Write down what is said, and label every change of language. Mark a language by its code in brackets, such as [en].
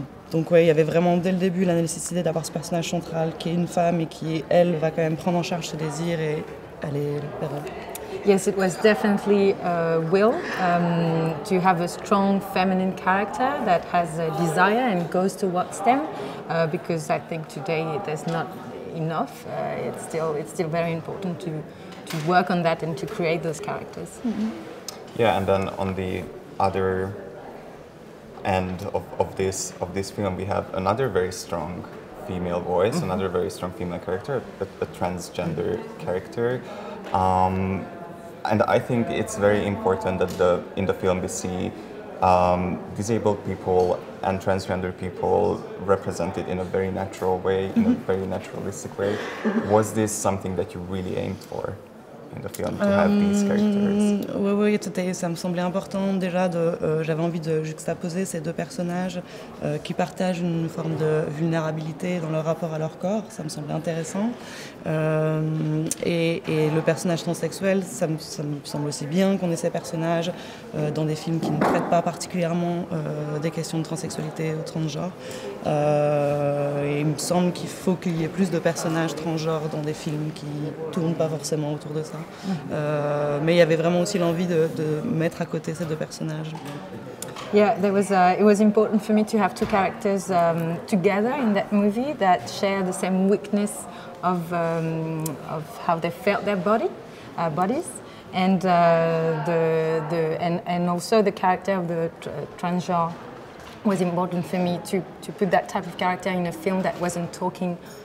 [fr] Donc ouais, il y avait vraiment dès le début la nécessité d'avoir ce personnage central qui est une femme et qui, elle, va quand même prendre en charge ses désirs et aller vers eux. [en] Yes, it was definitely a will to have a strong feminine character that has a desire and goes towards them, because I think today there's not enough. It's still very important to work on that and to create those characters. Mm-hmm. Yeah, and then on the other end of this film, we have another very strong female voice, another very strong female character, a transgender character. And I think it's very important that in the film we see disabled people and transgender people represented in a very natural way, in a very naturalistic way. Was this something that you really aimed for in the film, to have these characters? [fr] Oui, oui, ça me semblait important déjà de... j'avais envie de juxtaposer ces deux personnages qui partagent une forme de vulnérabilité dans leur rapport à leur corps. Ça me semblait intéressant. Et le personnage transsexuel, ça me semble aussi bien qu'on ait ces personnages dans des films qui ne traitent pas particulièrement des questions de transsexualité ou transgenre. Et il me semble qu'il faut qu'il y ait plus de personnages transgenres dans des films qui ne tournent pas forcément autour de ça. Mais il y avait vraiment aussi l'envie de mettre à côté ces deux personnages. [en] Yeah, there was it was important for me to have two characters together in that movie that share the same weakness of how they felt their body bodies and the and also the character of the transgenre was important for me to put that type of character in a film that wasn't talking